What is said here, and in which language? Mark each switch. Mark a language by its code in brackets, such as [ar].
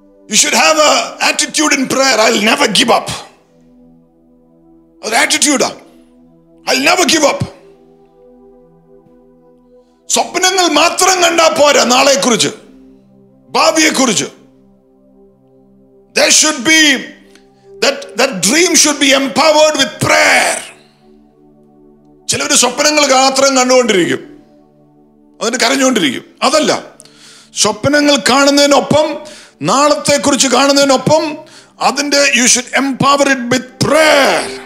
[en] You should have an attitude in prayer. I'll never give up. That's an attitude. I'll never give up. [ml] സ്വപ്നങ്ങൾ മാത്രം കണ്ടാൽ പോരാ, നാളെക്കുറിച്ച്, ഭാവിയെക്കുറിച്ച്. [en] There should be that dream should be empowered with prayer. [ml] ചിലവര് സ്വപ്നങ്ങൾ മാത്രം കണ്ടുകൊണ്ടിരിക്കും, അതിന് കരഞ്ഞുകൊണ്ടിരിക്കും, അതല്ല. സ്വപ്നങ്ങൾ കാണുന്നതിനൊപ്പം നാളത്തെ കുറിച്ച് കാണുന്നതിനൊപ്പം അതിന്റെ [en] You should empower it with prayer.